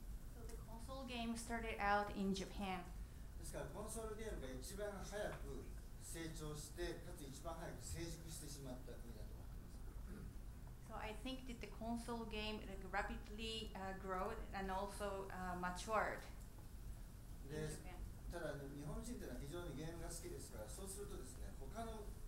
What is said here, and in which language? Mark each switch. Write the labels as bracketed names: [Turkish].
[English] So the console game started out in Japan. [Japanese] ですからコンソールゲームが一番早く成長して、かつ一番早く成熟してしまった国だと。 [English] So I think that the console game like, rapidly grew and also matured in Japan. [Japanese] ただ日本人というのは非常にゲームが好きですから、そうするとですね、他の